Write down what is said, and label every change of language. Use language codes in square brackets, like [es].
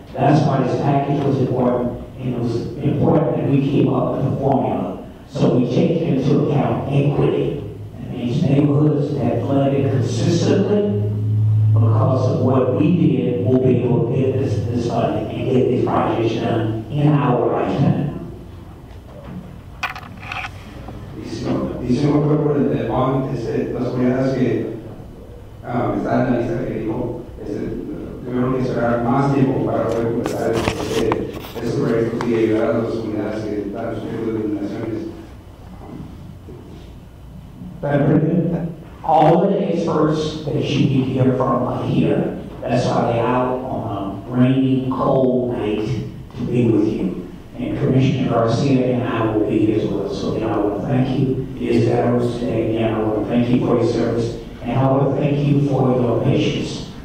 [en] That's why this package was important, and it was important that we came up with a formula. So we take into account equity. And these neighborhoods that flooded consistently because of what we did will be able to get this money and get these projects done in our lifetime. [es] Dice un acuerdo de Bond, las comunidades que están en la lista que dijo, tuvieron que esperar más tiempo para poder completar estos proyectos y ayudar a las comunidades que están sufriendo discriminaciones. [en] All the experts that you need to hear from are here. That's why they're out on a rainy, cold night to be with you. And Commissioner Garcia and I will be here as well. So again, I want to thank you. It is that I was today. Again, I want to thank you for your service. And I want to thank you for your patience.